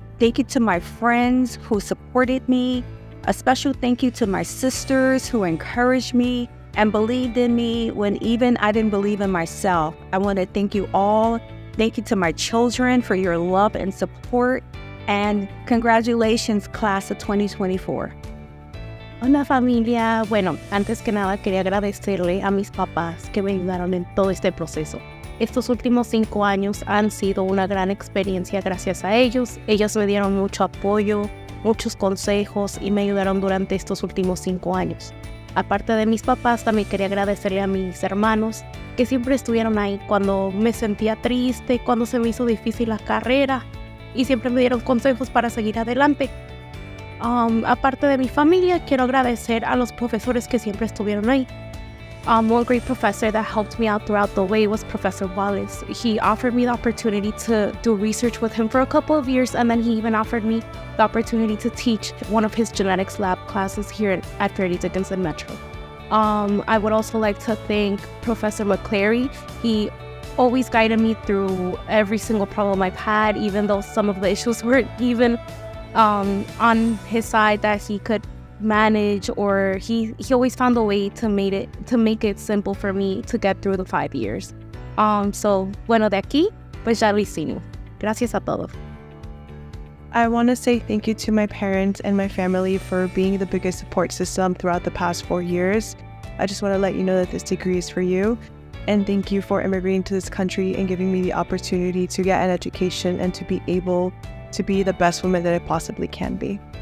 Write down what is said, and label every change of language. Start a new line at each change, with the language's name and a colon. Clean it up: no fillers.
English: Thank you to my friends who supported me. A special thank you to my sisters who encouraged me and believed in me when even I didn't believe in myself. I want to thank you all. Thank you to my children for your love and support, and congratulations, class of 2024.
Spanish: Hola, familia. Bueno, antes que nada, quería agradecerle a mis papás que me ayudaron en todo este proceso. Estos últimos 5 años han sido una gran experiencia gracias a ellos. Ellos me dieron mucho apoyo, muchos consejos, y me ayudaron durante estos últimos 5 años. Aparte de mis papás, también quería agradecerle a mis hermanos que siempre estuvieron ahí cuando me sentía triste, cuando se me hizo difícil la carrera, y siempre me dieron consejos para seguir adelante. Aparte de mi familia, quiero agradecer a los profesores que siempre estuvieron ahí.
English: One great professor that helped me out throughout the way was Professor Wallace. He offered me the opportunity to do research with him for a couple of years, and then he even offered me the opportunity to teach one of his genetics lab classes here at Fairleigh Dickinson Metro. I would also like to thank Professor McCleary. He always guided me through every single problem I've had, even though some of the issues weren't even on his side that he could manage, or he always found a way to make it simple for me to get through the 5 years.
Spanish: So bueno, de aquí pues ya lo hicimos. Gracias a todos.
English: I want to say thank you to my parents and my family for being the biggest support system throughout the past 4 years. I just want to let you know that this degree is for you, and thank you for immigrating to this country and giving me the opportunity to get an education and to be able to be the best woman that I possibly can be.